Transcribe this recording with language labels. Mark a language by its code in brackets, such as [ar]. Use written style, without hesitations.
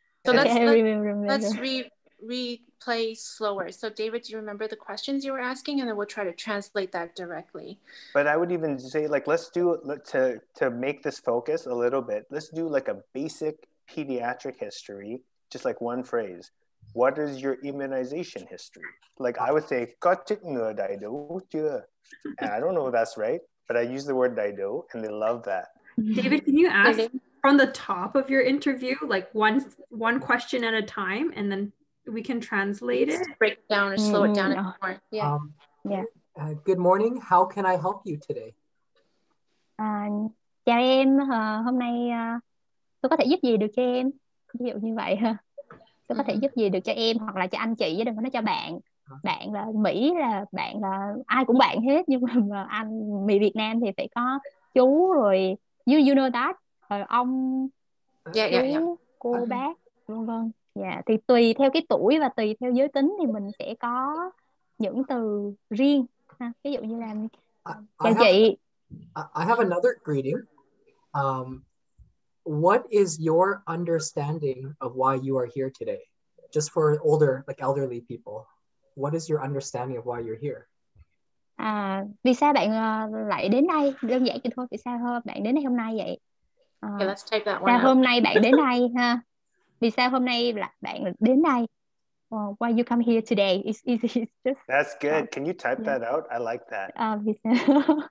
[en] So okay, let's replay slower. So David, do you remember the questions you were asking? And then we'll try to translate that directly. But I would even say, like, let's do, to make this focus a little bit, let's do like a basic pediatric history, just like one phrase. What is your immunization history? Like I would say, [vi] có chích ngừa đầy đủ chưa? [en] And I don't know if that's right, but I use the word đầy đủ and they love that. David, can you ask from the top of your interview, like one question at a time, and then we can translate it, break it down or slow it down more. Good morning, how can I help you today? [vi] Chào em, hôm nay tôi có thể giúp gì được cho em, ví dụ như vậy ha. Tôi có thể giúp gì được cho em hoặc là cho anh chị, đừng có nói cho bạn. Bạn là Mỹ, là bạn là ai cũng bạn hết, nhưng mà anh Mỹ Việt Nam thì phải có chú, rồi [en] you know that, [vi] rồi ông, cô, bác, vân vân. Yeah, thì tùy theo cái tuổi và tùy theo giới tính thì mình sẽ có những từ riêng ha. Ví dụ như là chào chị. [en] I have another greeting. What is your understanding of why you are here today? Just for older, like elderly people. What is your understanding of why you're here? [vi] Vì sao bạn lại đến đây? Đơn giản thôi, vì sao bạn đến đây hôm nay vậy? [en] Okay, let's take that one. [vi] Sao hôm nay bạn đến đây ha? Vì sao hôm nay là bạn đến đây? [en] Well, why you come here today? It's easy. It's just, that's good. Can you type that out? I like that. [vi] Vì sao?